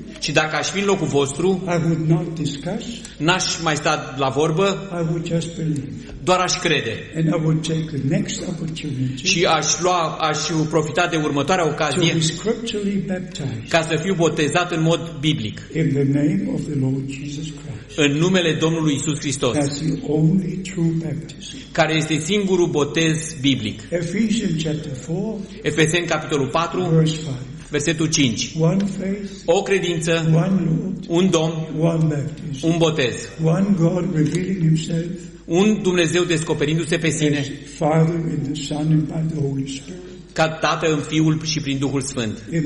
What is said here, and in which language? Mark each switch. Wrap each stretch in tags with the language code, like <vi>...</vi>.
<ro>și dacă aș fi în locul vostru,</ro> <en>I would not discuss,</en> <ro>n-aș mai sta la vorbă,</ro> <en>I would just believe.</en> <ro>Doar aș crede.</ro> <en>And I would take the next opportunity,</en> <ro>și aș profita de următoarea ocazie</ro> <en>to be scripturally baptized,</en> <ro>ca să fiu botezat în mod biblic.</ro> <en>In the name of the Lord Jesus Christ.</en> <ro>În numele Domnului Iisus Hristos.</ro> <en>That's the only true baptism.</en> <ro>Care este singurul botez biblic.</ro> <en>Ephesians chapter 4,</en> <ro>Efeseni capitolul 4,</ro> <en>verse 5.</en> <ro>Versetul 5.</ro> <en>One faith,</en> <ro>o credință,</ro> <en>one Lord,</en> <ro>un Domn,</ro> <en>one baptism,</en> <ro>un botez.</ro> <en>One God revealing himself,</en> <ro>un Dumnezeu descoperindu-se pe sine.</ro> <en>Father in the Son and by the Holy Spirit.</en> <ro>Ca Tată în Fiul și prin Duhul Sfânt.</ro>